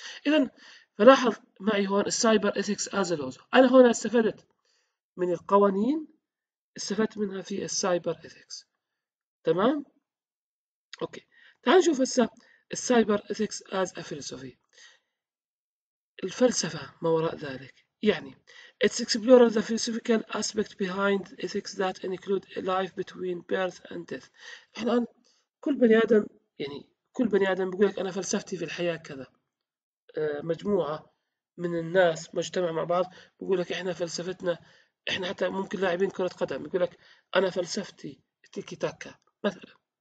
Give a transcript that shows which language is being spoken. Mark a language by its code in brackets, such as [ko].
[ar] اذا فلاحظ معي هون السايبر ايثكس از لوز، انا هون استفدت من القوانين، استفدت منها في السايبر ايثكس. تمام، اوكي، تعال نشوف هسه السايبر ايثكس از ا فيلوسوفي، الفلسفه ما وراء ذلك. [en] يعني it's explore the philosophical aspect behind ethics that include a life between birth and death. [ar] احنا الان كل بني ادم، يعني كل بني ادم بيقول لك انا فلسفتي في الحياه كذا، مجموعه من الناس مجتمع مع بعض بيقول لك احنا فلسفتنا، احنا حتى ممكن لاعبين كره قدم يقول لك انا فلسفتي تيكي تاكا مثلا،